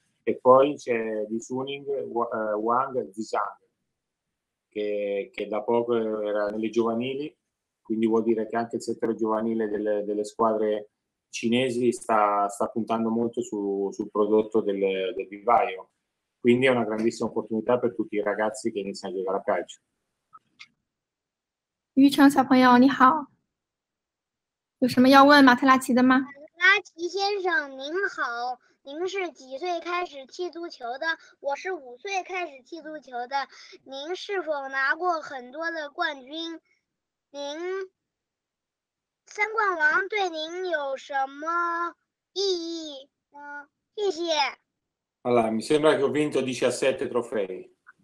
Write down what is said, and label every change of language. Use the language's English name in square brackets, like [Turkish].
[Italian] E poi c'è Li Suning, Wang Zizhang, che da poco era nelle giovanili, quindi vuol dire che anche il settore giovanile delle squadre cinesi sta puntando molto sul prodotto del vivaio. Quindi è una grandissima opportunità per tutti i ragazzi che iniziano a giocare a calcio. [Chinese] Yu Cheng, 小朋友你好，有什么要问马特拉奇的吗？马特拉奇先生您好，您是几岁开始踢足球的？我是5岁开始踢足球的。您是否拿过很多的冠军？您三冠王对您有什么意义呢？谢谢。 [Italian] Allora, mi sembra che ho vinto 17 trofei.